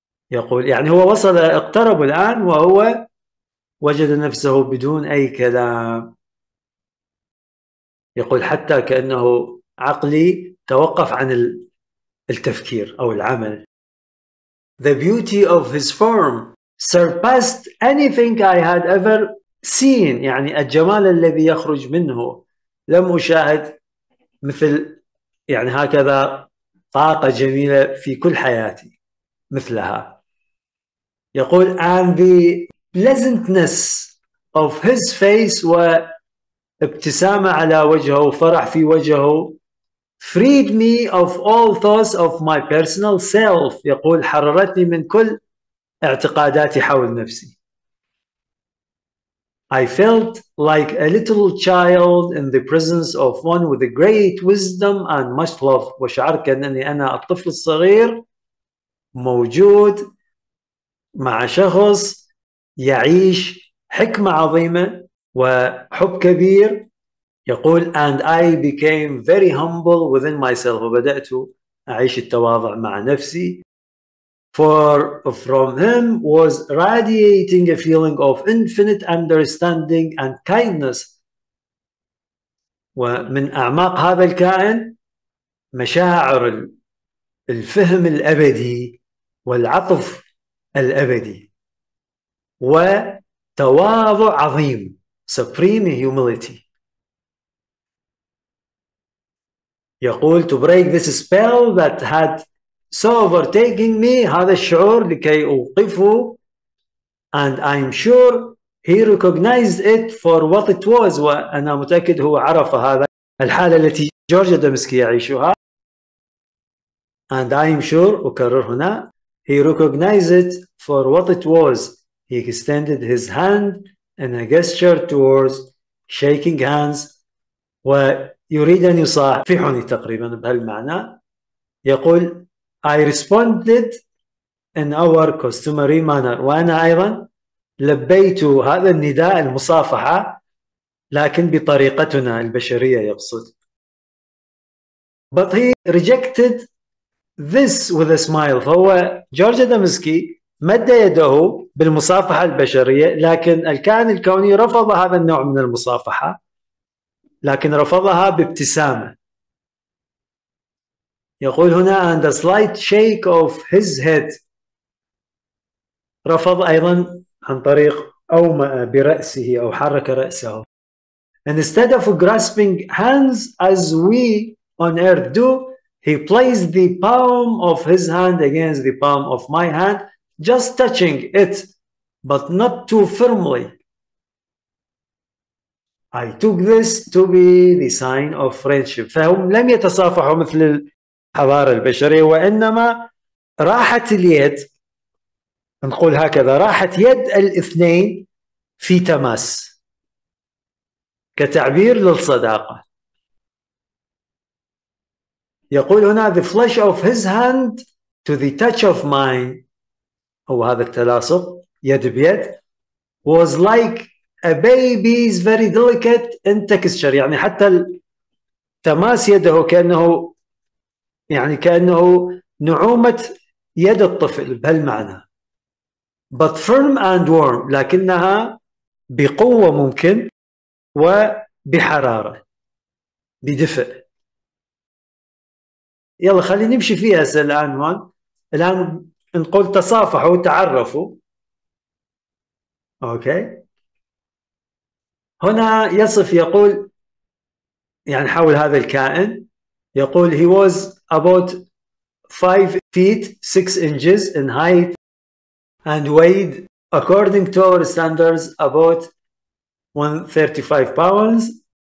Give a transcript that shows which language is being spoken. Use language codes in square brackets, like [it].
[ar] يقول يعني هو وصل اقترب الآن وهو وجد نفسه بدون أي كلام. يقول حتى كأنه عقلي توقف عن التفكير أو العمل. [en] The beauty of his form surpassed anything I had ever seen. [ar] يعني الجمال الذي يخرج منه لم أشاهد مثل يعني هكذا طاقة جميلة في كل حياتي مثلها. يقول [en] and the pleasantness of his face [ar] وابتسامة على وجهه وفرح في وجهه [en] freed me of all thoughts of my personal self. [ar] يقول حررتني من كل اعتقاداتي حول نفسي. [en] I felt like a little child in the presence of one with great wisdom and much love. [ar] وشعرت كأنني أنا الطفل الصغير موجود مع شخص يعيش حكمة عظيمة وحب كبير. يقول [en] and I became very humble within myself. [ar] وبدأت أعيش التواضع مع نفسي. [en] For from him was radiating a feeling of infinite understanding and kindness. [ar] ومن أعماق هذا الكائن مشاعر الفهم الأبدي والعطف الأبدي وتواضع عظيم [en] supreme humility. [ar] يقول [en] to break this spell that had so overtaking me. [ar] هذا الشعور لكي أوقفه. [en] And I'm sure he recognized it for what it was. [ar] وأنا متأكد هو عرف هذا الحالة التي جورج دمسكي يعيشها. [en] And I'm sure [ar] أكرر هنا [en] he recognized it for what it was. He extended his hand in a gesture towards shaking hands. [ar] ويريد أن يصافحني تقريبا بهالمعنى. يقول [en] I responded in our customary manner. [ar] وأنا أيضا لبيت هذا النداء المصافحة لكن بطريقتنا البشرية يقصد. [en] But he rejected this with a smile. [ar] فهو جورج دمسكي مد يده بالمصافحة البشرية لكن الكائن الكوني رفض هذا النوع من المصافحة لكن رفضها بابتسامة. يقول هنا [en] and a slight shake of his head. [ar] رفض أيضا عن طريق أومأ برأسه أو حرك رأسه. [en] Instead of grasping hands as we on earth do, he placed the palm of his hand against the palm of my hand, just touching it, but not too firmly. I took this to be the sign of friendship. [ar] فهم لم يتصافحوا مثل الحضارة البشرية، وإنما راحت اليد، نقول هكذا، راحت يد الاثنين في تماس كتعبير للصداقة. يقول هنا [en] the flesh of his hand to the touch of mine، [ar] هو هذا التلاصق يد بيد، [en] was like a baby's very delicate in texture، [ar] يعني حتى تماس يده كأنه، يعني كأنه نعومة يد الطفل بهالمعنى. [en] But firm and warm، [ar] لكنها بقوة ممكن وبحرارة بدفء. يلا خلينا نمشي فيها الآن. الآن نقول تصافحوا وتعرفوا. أوكي، هنا يصف، يقول يعني حول هذا الكائن، يقول [en] he was about 5 feet 6 inches in height and weighed according to our standards about 135 pounds.